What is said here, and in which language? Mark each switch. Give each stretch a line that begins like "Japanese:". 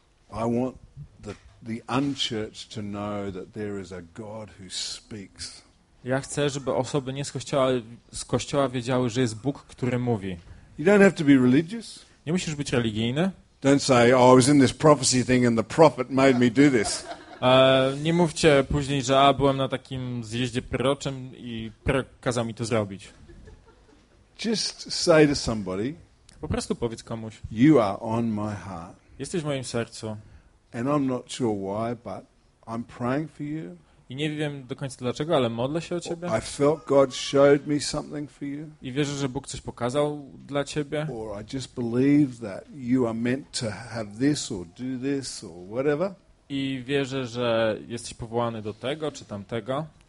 English: I want the unchurched to know that there is a God who speaks.
Polish: Ja chcę, żeby osoby nie z kościoła wiedziały, że jest Bóg, który mówi.
English: You don't have to be religious.
Polish: Nie musisz być religijny.
English: Don't say, oh, I was in this prophecy thing and the prophet made me do this.
Polish: Nie mówcie później, że byłem na takim zjeździe proroczym i prorok kazał mi to zrobić.
English: Just say to somebody.
Polish: Po prostu powiedz komuś.
English: You are on my heart.
Polish: Jesteś w moim sercu.
English: And I'm not sure why, but I'm praying for you.
Polish: I nie wiem do końca dlaczego, ale modlę się o ciebie.
English: I felt God showed me something for you.
Polish: I wierzę, że Bóg coś pokazał dla ciebie.
English: Or I just believe that you are meant to have this or do this or whatever.
Polish: I wierzę, że jesteś powołany do tego czy tamtego.